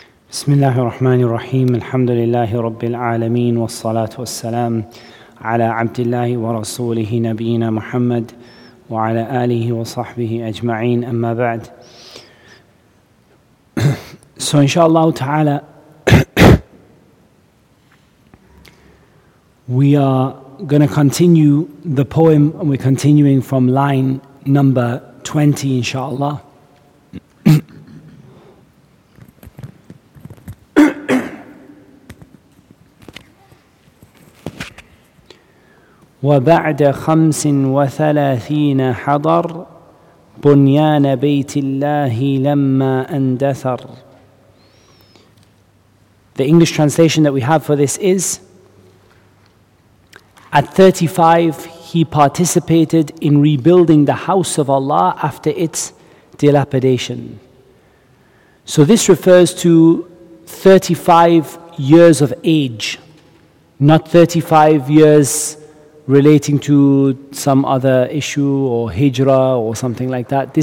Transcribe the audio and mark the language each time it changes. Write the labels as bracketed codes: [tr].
[ar] بسم الله الرحمن الرحيم الحمد لله رب العالمين والصلاة والسلام على عبد الله ورسوله نبينا محمد وعلى آله وصحبه أجمعين أما بعد. [en] So inshallah ta'ala we are going to continue the poem and we're continuing from line number 20 inshallah. [ar] وبعد خمس وثلاثين حضر بنيان بيت الله لما اندثر. [en] The English translation that we have for this is, at 35 he participated in rebuilding the house of Allah after its dilapidation. So this refers to 35 years of age, not 35 years relating to some other issue or hijrah or something like that.